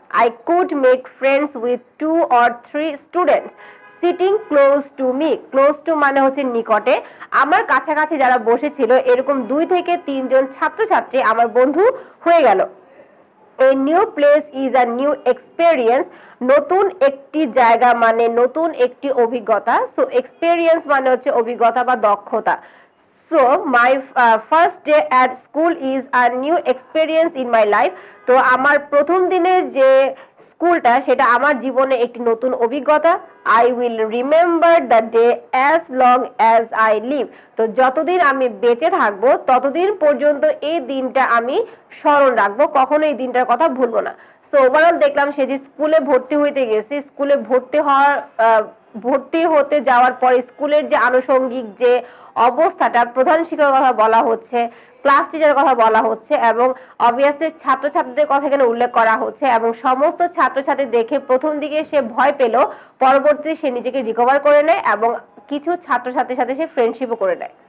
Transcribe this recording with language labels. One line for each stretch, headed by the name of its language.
English: I could make friends with two or three students sitting close to me,
Bangla: close two মানে হচ্ছে নিকটে, আমার কাছাকাছি যারা বসেছিল, এরকম 2 থেকে 3 জন ছাত্রছাত্রী আমার বন্ধু হয়ে গেল।
English: a new place is a new experience,
Bangla: নতুন একটি জায়গা মানে নতুন একটি অভিজ্ঞতা। সো এক্সপেরিয়েন্স মানে হচ্ছে অভিজ্ঞতা বা দক্ষতা।
English: So my first day at school is a new experience in my life.
Bangla: তো আমার প্রথম দিনে যে স্কুলটা সেটা আমার জীবনে একটি নতুন অভিজ্ঞতা.
English: I will remember the day as long as I live.
Bangla: তো যতদিন আমি বেঁচে থাকবো ততদিন পর্যন্ত এই দিনটা আমি স্মরণ রাখবো, কখনো এই দিনটার কথা ভুলবো না. তো ওভারঅল দেখলাম সে যে স্কুলে ভর্তি হইতে গেছে, স্কুলে ভর্তি হওয়ার ভর্তি হতে যাওয়ার পর স্কুলের যে আনুষঙ্গিক যে অবস্থাটা, প্রধান শিক্ষকের কথা বলা হচ্ছে, ক্লাস টিচারের কথা বলা হচ্ছে, এবং অবভিয়াসলি ছাত্রছাত্রীদের কথা এখানে উল্লেখ করা হচ্ছে, এবং সমস্ত ছাত্রছাত্রী দেখে প্রথম দিকে সে ভয় পেল, পরবর্তীতে সে নিজেকে রিকভার করে নেয় এবং কিছু ছাত্রছাত্রীর সাথে সে ফ্রেন্ডশিপও করে নেয়।